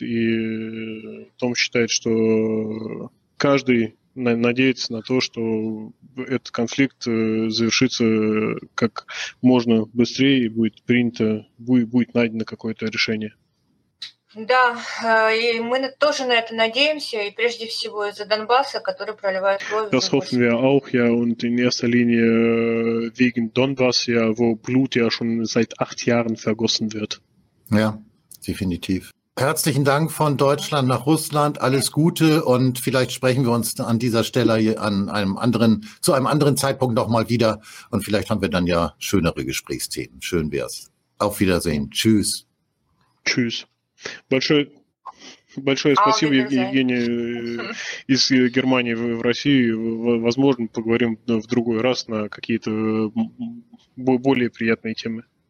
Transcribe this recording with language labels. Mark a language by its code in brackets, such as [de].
[ru] И Том считает, что каждый надеяться на то, что этот конфликт завершится как можно быстрее и будет принято, будет найдено какое-то решение. Да, и мы тоже на это надеемся, и прежде всего из-за Донбасса, который проливает кровь. [de] Das hoffen wir auch, ja, und in erster Linie wegen Donbass, ja, wo Blut ja schon seit 8 Jahren vergossen wird. Ja, definitiv. Herzlichen Dank von Deutschland nach Russland. Alles Gute und vielleicht sprechen wir uns an dieser Stelle an einem anderen, zu einem anderen Zeitpunkt nochmal wieder und vielleicht haben wir dann ja schönere Gesprächsthemen. Schön wär's. Auf Wiedersehen. Tschüss. Tschüss. [ru] Большое спасибо, Евгений, из Германии в Россию. Возможно, поговорим в другой раз на какие-то более приятные темы.